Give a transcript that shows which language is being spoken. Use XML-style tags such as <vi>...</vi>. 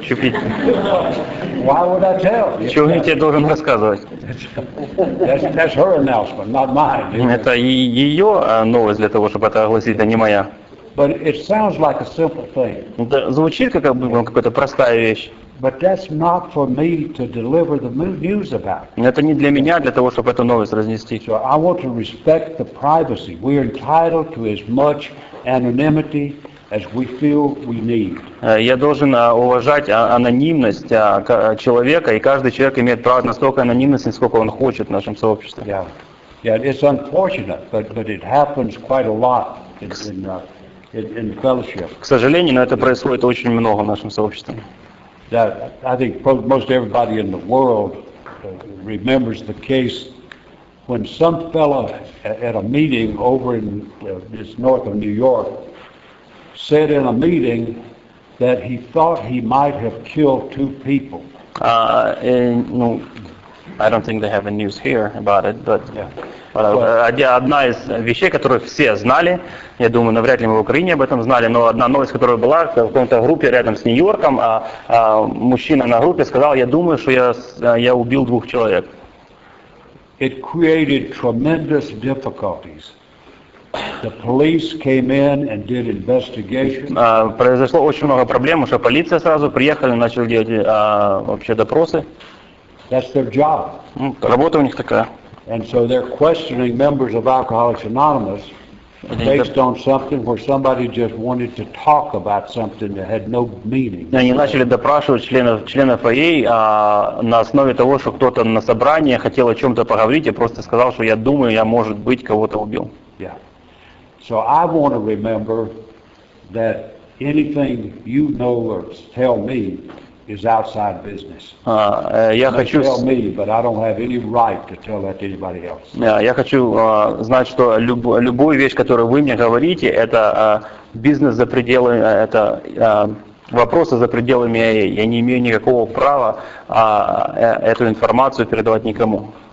<en>Why would I tell?</en> <ru>Чего я тебе должен рассказывать?</ru> <en>That's her announcement, not mine.</en> <ru>Это ее новость для того, чтобы это огласить, а не моя.</ru> <en>But it sounds like a simple thing.</en> <ru>Звучит как какая-то простая вещь.</ru> <en>But that's not for me to deliver the news about.</en> <ru>Это не для меня, для того, чтобы эту новость разнести.</ru> <en>So I want to respect the privacy. We are entitled to as much anonymity as we feel we need.</en> <ru>Я должен уважать анонимность человека, и каждый человек имеет право на столько анонимности, сколько он хочет в нашем сообществе.</ru> <en>Yeah. Yeah, it's unfortunate, but it happens quite a lot in fellowship.</en> <ru>К сожалению, но это происходит очень много в нашем сообществе.</ru> <en>That I think most everybody in the world remembers the case when some fellow at a meeting over in this north of New York said in a meeting that he thought he might have killed two people.</en> <ru>Ну, I don't think they have a news here about it, but одна из вещей, которую все знали, я думаю, навряд ли мы в Украине об этом знали, но одна новость, которая была в каком-то группе рядом с Нью-Йорком, мужчина на группе сказал, я думаю, что я убил двух человек.</ru> <en>It created tremendous difficulties. The police came in and did investigation.</en> <ru>Произошло очень много проблем, потому что полиция сразу приехала и начала делать вообще допросы.</ru> <en>That's their job.</en> <ru>Работа у них такая.</ru> <en>And so they're questioning members of Alcoholics Anonymous based on something where somebody just wanted to talk about something that had no meaning.</en> <ru>Они начали допрашивать членов АА на основе того, что кто-то на собрании хотел о чем-то поговорить и просто сказал, что я думаю, я, может быть, кого-то убил.</ru> <en>Yeah. So I want to remember that anything you know or tell me is outside business.</en> <ru>Я хочу</ru> <en>tell me, but I don't have any right to tell that to anybody else.</en> <ru>Я хочу знать, что любую вещь, которую вы мне говорите, это бизнес за пределами, это вопросы за пределами. Я не имею никакого права эту информацию передавать никому.</ru>